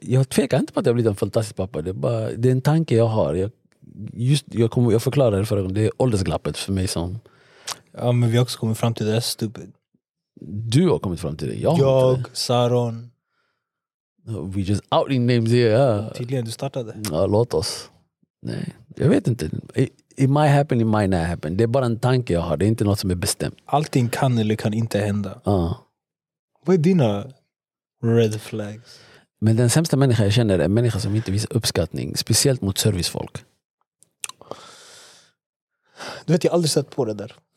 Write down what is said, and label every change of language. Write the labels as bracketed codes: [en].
[sv] Jag tvekar inte på att jag har blivit en fantastisk pappa. Det är en tanke jag har. Jag förklarar det förra gången. Det är åldersglappet för mig som... Ja, men vi har också kommit fram till det. [en] Stupid. [sv] Du har kommit fram till det. Jag Saron. [en] We just outing names here. [sv] Tydligen, du startade. Ja, låt oss. Nej, jag vet inte. [en] It might happen, it might not happen. [sv] Det är bara en tanke jag har. Det är inte något som är bestämt. Allting kan eller kan inte hända. Vad är dina red flags? Men den sämsta människa jag känner är en människa som inte visar uppskattning. Speciellt mot servicefolk. Du vet, jag aldrig sett på det där.